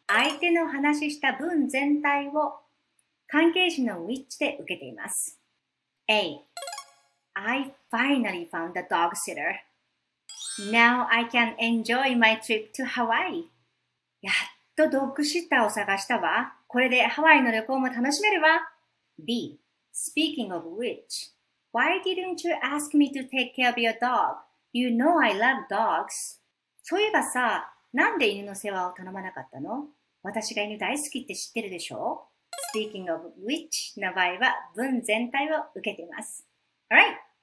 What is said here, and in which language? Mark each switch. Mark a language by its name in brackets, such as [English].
[Japanese] 相手の話した文全体を関係詞の which で受けています。 [English] A. I finally found a dog sitter. Now I can enjoy my trip to Hawaii. [Japanese] やっとドッグシッターを探したわ。これでハワイの旅行も楽しめるわ。 [English] B. Speaking of which, why didn't you ask me to take care of your dog? You know I love dogs. [Japanese] そういえばさ、なんで犬の世話を頼まなかったの？私が犬大好きって知ってるでしょ？ [English] Speaking of which [Japanese] の場合は文全体を受けています。 [English] Alright!